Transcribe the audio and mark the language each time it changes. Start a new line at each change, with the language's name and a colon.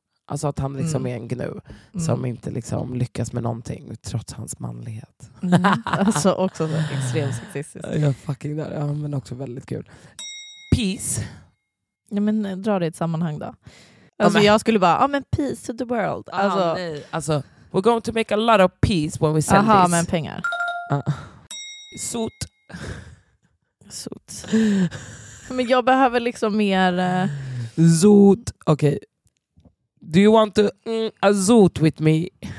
Swedish: Alltså att han liksom är en gnu som inte liksom lyckas med någonting trots hans manlighet. Alltså också så extremt sexistiskt. Jag fucking där. Ja, men också väldigt kul.
English: Peace.
Swedish: Ja, men dra det i ett sammanhang då. Alltså jag skulle bara, men
English: peace to the world.
Swedish: Alltså, nej.
English: Alltså, we're going to make a lot of peace when we sell this.
Swedish: Men pengar. Sot. Sot. Men jag behöver liksom mer... Zoot. Okej.
English: Do you want to a zoot with me?